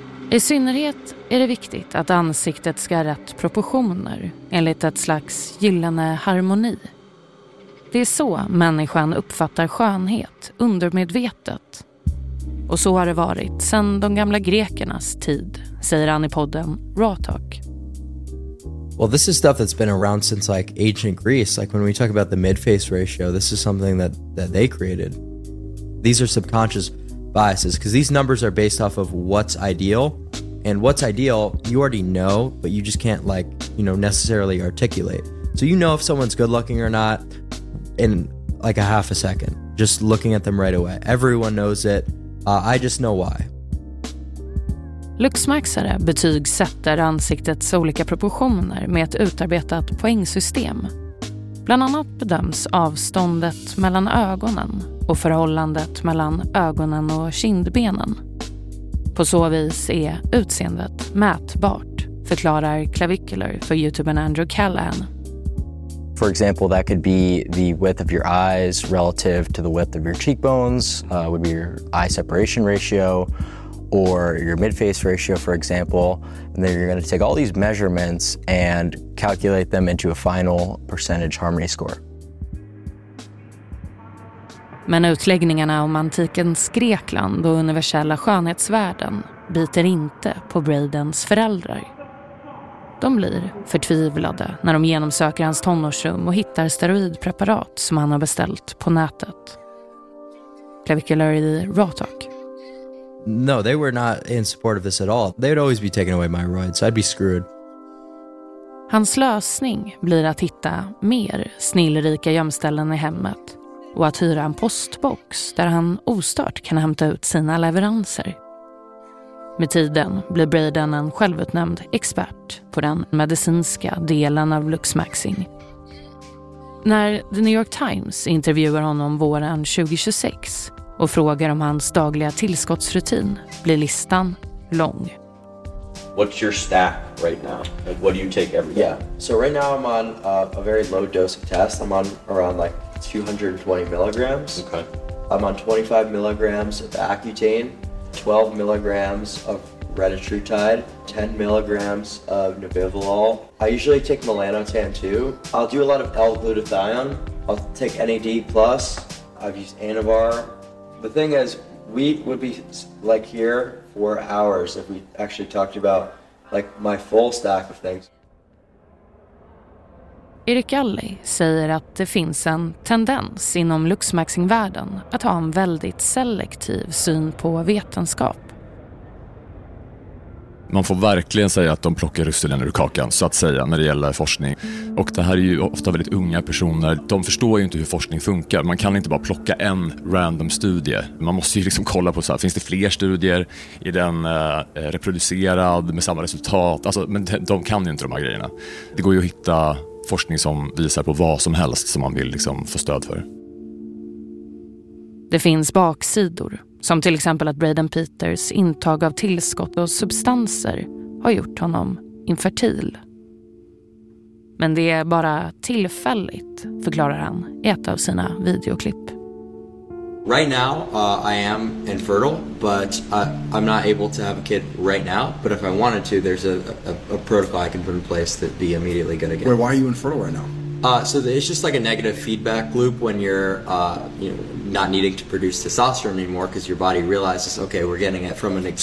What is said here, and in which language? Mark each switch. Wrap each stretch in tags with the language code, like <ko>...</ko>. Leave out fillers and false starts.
<sv>I synnerhet är det viktigt att ansiktet ska ha rätt proportioner enligt ett slags gyllene harmoni. Det är så människan uppfattar skönhet undermedvetet. Och så har det varit sedan de gamla grekernas tid, säger han i podden Raw Talk.</sv> <en>Well, this is stuff that's been around since like ancient Greece. Like when we talk about the mid-face ratio, this is something that they created. These are subconscious biases because these numbers are based off of what's ideal. And what's ideal, you already know, but you just can't like, you know, necessarily articulate. So you know if someone's good looking or not in like a half a second, just looking at them right away. Everyone knows it. I just know why.</en> <sv>Luxmaxare betygsätter ansiktets olika proportioner med ett utarbetat poängsystem. Bland annat bedöms avståndet mellan ögonen och förhållandet mellan ögonen och kindbenen. På så vis är utseendet mätbart, förklarar Klavikuler för YouTubern Andrew Callahan.</sv> <en>For example, that could be the width of your eyes relative to the width of your cheekbones, would be your eye separation ratio, or your mid-face ratio, for example. And then you're going to take all these measurements and calculate them into a final percentage harmony score.</en> <sv>Men utläggningarna om antikens Grekland och universella skönhetsvärden biter inte på Bradens föräldrar. De blir förtvivlade när de genomsöker hans tonårsrum och hittar steroidpreparat som han har beställt på nätet. Klavikuler i Raw Talk.</sv> <en>No, they were not in support of this at all. They would always be taking away my roids. I'd be screwed.</en> <sv>Hans lösning blir att hitta mer snillrika gömställen i hemmet och att hyra en postbox där han ostört kan hämta ut sina leveranser. Med tiden blir Braden en självutnämnd expert på den medicinska delen av Luxmaxing. När The New York Times intervjuar honom våren 2026 och frågar om hans dagliga tillskottsrutin blir listan lång.</sv> <en>What's your stack right now? Like, what do you take every day? Yeah. So right now I'm on a very low dose of test. I'm on around like 220 milligrams. Okay. I'm on 25 milligrams of Accutane, 12 milligrams of retatrutide, 10 milligrams of nebivolol. I usually take melanotan too. I'll do a lot of L-glutathione. I'll take NAD plus. I've used Anavar. The thing is, we would be like here for hours if we actually talked about like my full stack of things.</en> <sv>Erik Alli säger att det finns en tendens inom Luxmaxing-världen att ha en väldigt selektiv syn på vetenskap. Man får verkligen säga att de plockar russinen ur kakan, så att säga, när det gäller forskning. Och det här är ju ofta väldigt unga personer. De förstår ju inte hur forskning funkar. Man kan inte bara plocka en random studie. Man måste ju liksom kolla på så här, finns det fler studier? Är den reproducerad med samma resultat? Alltså, men de kan ju inte de här grejerna. Det går ju att hitta forskning som visar på vad som helst som man vill liksom få stöd för. Det finns baksidor, som till exempel att Braden Peters intag av tillskott och substanser har gjort honom infertil. Men det är bara tillfälligt, förklarar han i ett av sina videoklipp.</sv> <en>Right now I am infertile, but I'm not able to have a kid right now, but if I wanted to, there's a protocol I can put in place that be immediately good again. Wait, why are you infertile right now? So it's just like a negative feedback loop when you're not needing to produce testosterone anymore because your body realizes, okay, we're getting it from an exogenous.</en>